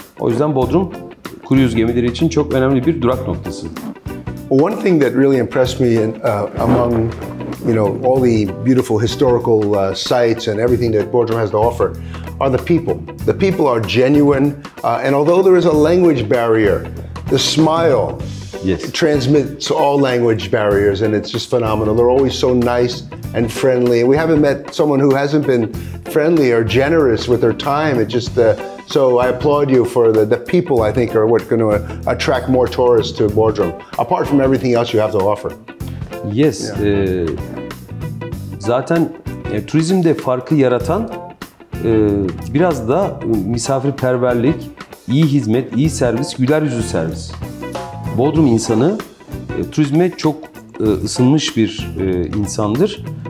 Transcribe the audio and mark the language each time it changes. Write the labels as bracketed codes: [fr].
[tr] O yüzden Bodrum kruvaz gemileri için çok önemli bir durak noktası. [en] One thing that really impressed me in, among you know all the beautiful historical sites and everything that Bodrum has to offer are the people. The people are genuine, and although there is a language barrier, the smile transmits all language barriers, and it's just phenomenal. They're always so nice and friendly. We haven't met someone who hasn't been friendly or generous with their time. It just so I applaud you for the people. I think are what's going to attract more tourists to Bodrum, apart from everything else you have to offer. [tr] Yes, zaten turizmde farkı yaratan biraz da misafirperverlik, iyi hizmet, iyi servis, güler yüzlü servis. Bodrum insanı turizme çok ısınmış bir insandır.